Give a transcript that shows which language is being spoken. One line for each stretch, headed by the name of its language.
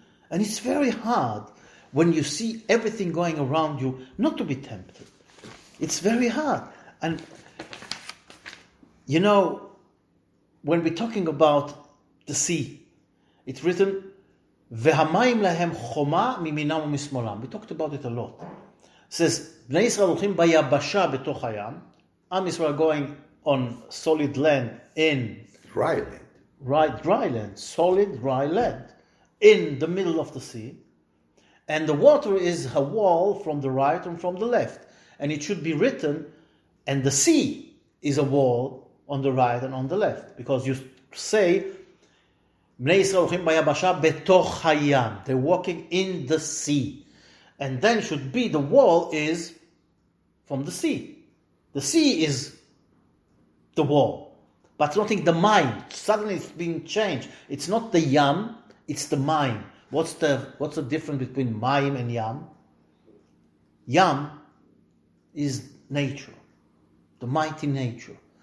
English: And it's very hard when you see everything going around you not to be tempted. It's very hard. And, you know, when we're talking about the sea, it's written,
Hebrew: והמים להם חומה מימינם ומשמאלם.
English: We talked about it a lot.
Hebrew: It says, בני ישראל הולכים ביבשה בתוך הים.
English: Am Israel going on solid land in... Dry land. Dry land. Solid dry land. In the middle of the sea. And the water is a wall from the right and from the left. And it should be written, and the sea is a wall on the right and on the left. Because you say...
Hebrew: בני ישראל הולכים ביבשה בתוך הים.
English: They're walking in the sea. And then should be the wall is from the sea. The sea is the wall. But not in the mind. Suddenly it's being changed. It's not the yam, it's the mind. What's the difference between mayim and yam? Yam is nature. The mighty nature.